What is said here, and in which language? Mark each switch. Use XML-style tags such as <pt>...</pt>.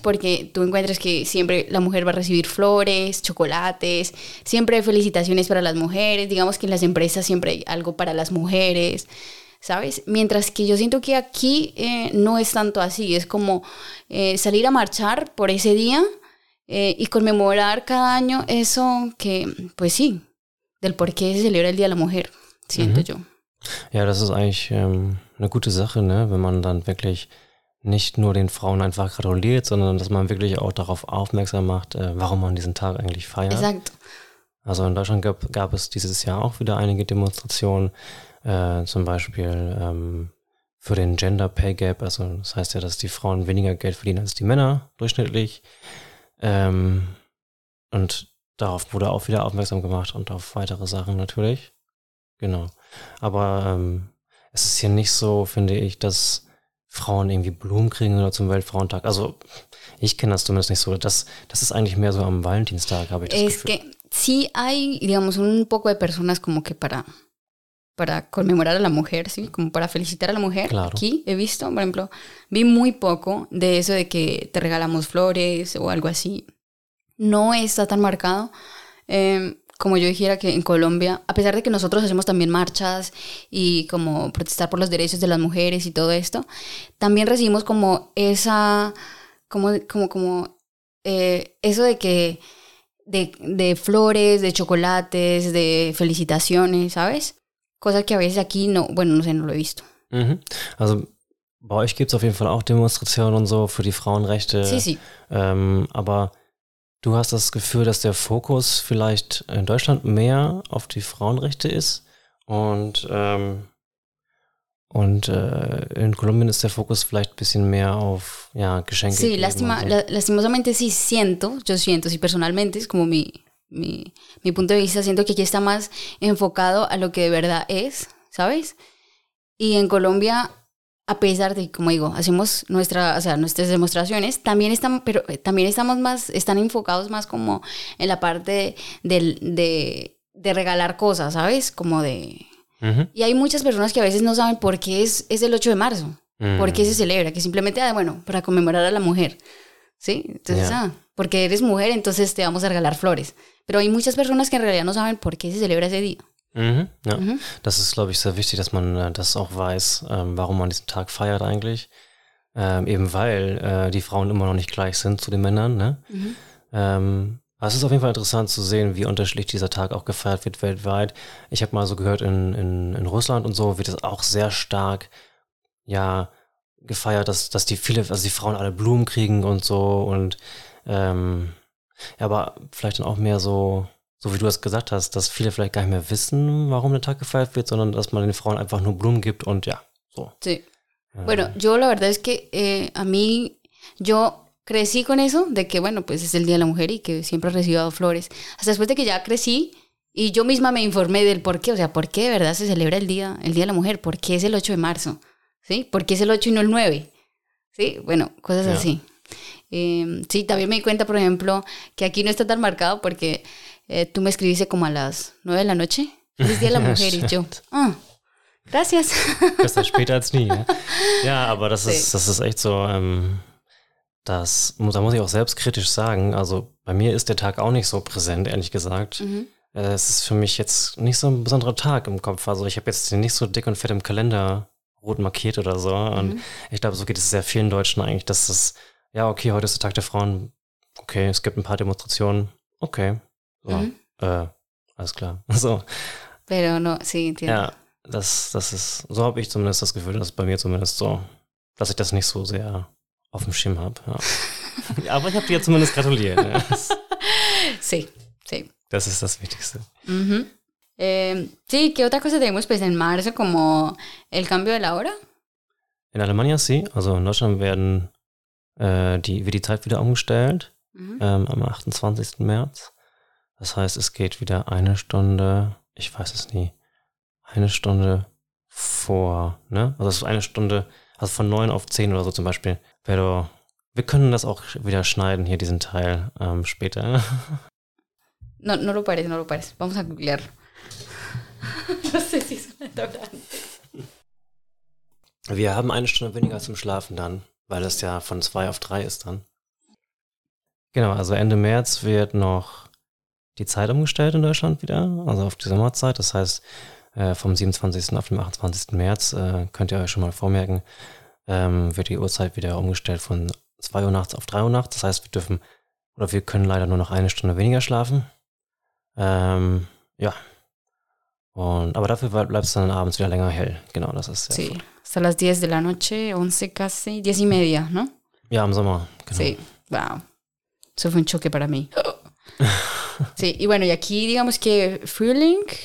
<es>Porque tú encuentras que siempre la mujer va a recibir flores, chocolates, siempre hay felicitaciones para las mujeres, digamos que en las empresas siempre hay algo para las mujeres, ¿sabes? Mientras que yo siento que aquí no es tanto así, es como salir a marchar por ese día y conmemorar cada año eso que, pues sí, del por qué se celebra el Día de la Mujer, siento yo.</es> <de>Ja, das ist eigentlich eine gute Sache, ne? Wenn man dann wirklich nicht nur den Frauen einfach gratuliert, sondern dass man wirklich auch darauf aufmerksam macht, warum man diesen Tag eigentlich feiert.</de> <es>Exacto.</es> <de>Also in Deutschland gab es dieses Jahr auch wieder einige Demonstrationen, zum Beispiel für den Gender Pay Gap, also das heißt ja, dass die Frauen weniger Geld verdienen als die Männer durchschnittlich. Und darauf wurde auch wieder aufmerksam gemacht und auf weitere Sachen natürlich. Genau. Aber es ist hier nicht so, finde ich, dass Frauen irgendwie Blumen kriegen oder zum Weltfrauentag. Also ich kenne das zumindest nicht so. Das ist eigentlich mehr so am Valentinstag, habe ich das es Gefühl.</de> <es>Es que sí hay, digamos, un poco de personas como que para conmemorar a la mujer, ¿sí? Como para felicitar a la mujer. Claro. Aquí he visto, por ejemplo, vi muy poco de eso de que te regalamos flores o algo así. No está tan marcado. Como yo dijera que en Colombia, a pesar de que nosotros hacemos también marchas y como protestar por los derechos de las mujeres y todo esto, también recibimos como esa, eso de que, de flores, de chocolates, de felicitaciones, ¿sabes? Cosas que a veces aquí no, bueno, no sé, no lo he visto. Mhm.</es> <de>Also, bei euch gibt's auf jeden Fall auch Demonstrationen und so für die Frauenrechte.</de> <es>Sí, sí.</es> <de>Aber du hast das Gefühl, dass der Fokus vielleicht in Deutschland mehr auf die Frauenrechte ist und in Kolumbien ist der Fokus vielleicht ein bisschen mehr auf ja, Geschenke.</de> <es>Sí, lastimosamente sí siento, yo siento, sí personalmente, es como mi punto de vista, siento que aquí está más enfocado a lo que de verdad es, ¿sabes? Y en Colombia, a pesar de, como digo, hacemos nuestras demostraciones, también están, pero también estamos más, están enfocados más como en la parte de regalar cosas, ¿sabes? Como de... Uh-huh. Y hay muchas personas que a veces no saben por qué es el 8 de marzo, uh-huh. por qué se celebra, que simplemente, bueno, para conmemorar a la mujer, ¿sí? Entonces,</es> <en>yeah.</en> <es>Porque eres mujer, entonces te vamos a regalar flores. Pero hay muchas personas que en realidad no saben por qué se celebra ese día. Mhm, ja. Mhm.</es> <de>Das ist, glaube ich, sehr wichtig, dass man das auch weiß, warum man diesen Tag feiert eigentlich. Eben weil die Frauen immer noch nicht gleich sind zu den Männern. Ne? Mhm. Es ist auf jeden Fall interessant zu sehen, wie unterschiedlich dieser Tag auch gefeiert wird weltweit. Ich habe mal so gehört, in Russland und so wird es auch sehr stark ja, gefeiert, dass die viele, also die Frauen alle Blumen kriegen und so. Und ja, aber vielleicht dann auch mehr so so wie du es gesagt hast, dass viele vielleicht gar nicht mehr wissen, warum der Tag gefeiert wird, sondern dass man den Frauen einfach nur Blumen gibt und ja, so.</de> <es>Sí. Bueno, yo la verdad es que a mí, yo crecí con eso, de que bueno, pues es el Día de la Mujer y que siempre he recibido flores. Hasta después de que ya crecí y yo misma me informé del por qué, o sea, por qué de verdad se celebra el día de la Mujer, por qué es el 8 de marzo, ¿sí? ¿Por qué es el 8 y no el 9? Sí, bueno, cosas así. Sí, también me di cuenta, por ejemplo, que aquí no está tan marcado porque tú me escribiste como a las 9 de la noche, es Día de la Mujer y yo... Gracias.</es> <de>Besser später als nie. Ja, aber das ist echt so, da muss ich auch selbstkritisch sagen, also bei mir ist der Tag auch nicht so präsent, ehrlich gesagt. Mhm. Es ist für mich jetzt nicht so ein besonderer Tag im Kopf. Also ich habe jetzt den nicht so dick und fett im Kalender rot markiert oder so. Und ich glaube, so geht es sehr vielen Deutschen eigentlich, dass es, ja, okay, heute ist der Tag der Frauen. Okay, es gibt ein paar Demonstrationen. Okay, so. Alles klar. So.</de> <es>Pero no, sí, entiendo.</es> <de>Ja. Das ist, so habe ich zumindest das Gefühl, dass bei mir zumindest so, dass ich das nicht so sehr auf dem Schirm habe. Ja. Aber ich habe dir zumindest gratuliert.</de> <es>Sí, sí.</es> <de>Das ist das Wichtigste. Mhm.</de> <es>Sí, ¿qué otra cosa tenemos pues en marzo como el cambio de la hora? In Alemania, sí.</es> <de>Also in Deutschland wird die Zeit wieder umgestellt am 28. März. Das heißt, es geht wieder eine Stunde, ich weiß es nie, eine Stunde vor, ne? Also es ist eine Stunde, also von 9 auf 10 oder so zum Beispiel.</de> <es>Pero,</es> <de>wir können das auch wieder schneiden hier, diesen Teil, später.</de> <es>No, no lo pares, no lo pares. Vamos a googlear. No sé si son de verdad.</es> <de>Wir haben eine Stunde weniger zum Schlafen dann, weil es ja von 2 auf 3 ist dann. Genau, also Ende März wird noch die Zeit umgestellt in Deutschland wieder, also auf die Sommerzeit. Das heißt, vom 27. auf den 28. März, könnt ihr euch schon mal vormerken, wird die Uhrzeit wieder umgestellt von 2 Uhr nachts auf 3 Uhr nachts. Das heißt, wir können leider nur noch eine Stunde weniger schlafen. Aber dafür bleibt es dann abends wieder länger hell. Genau, das ist sehr gut.</de> <es>Sí, hasta las 10 de la noche, 11 casi, 10 y media, ¿no?</es> <de>Ja, im Sommer, genau.</de> <es>Sí, wow. Eso fue un choque para mí. Sí, y bueno, y aquí digamos que Frühling...</es>